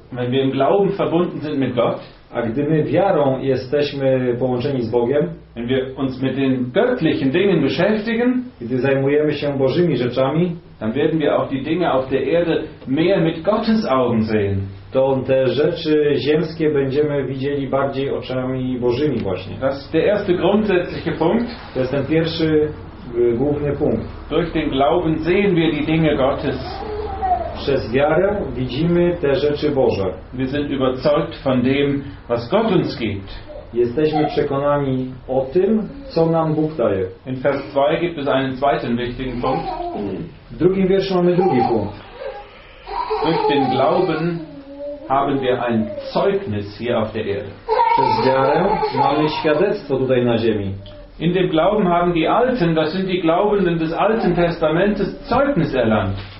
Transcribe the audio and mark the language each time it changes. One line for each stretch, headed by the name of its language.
German: Wenn wir im Glauben verbunden sind mit Gott,
Polish: a gdy my wiarą jesteśmy połączeni z Bogiem,
German: wenn wir uns mit den göttlichen Dingen beschäftigen,
Polish: gdy zajmujemy się Bożymi rzeczami,
German: dann werden wir auch die Dinge auf der Erde mehr mit Gottes Augen sehen.
Polish: To te rzeczy ziemskie będziemy widzieli bardziej oczami Bożymi właśnie.
German: Das ist der erste grundsätzliche Punkt.
Polish: To jest ten pierwszy główny punkt.
German: Durch den Glauben sehen wir die Dinge Gottes.
Polish: Przez wiarę widzimy te rzeczy Boże.
German: Wir sind überzeugt von dem, was Gott uns gibt.
Polish: Jesteśmy przekonani o tym, co nam Bóg daje.
German: In Vers 2 gibt es einen zweiten wichtigen Punkt.
Polish: W drugim wierszu mamy drugi punkt.
German: Durch den Glauben haben wir ein Zeugnis hier auf der Erde.
Polish: Przez wiarę mamy świadectwo tutaj na ziemi.
German: In dem Glauben haben die Alten, das sind die Glaubenden des Alten Testamentes, Zeugnis erlangt.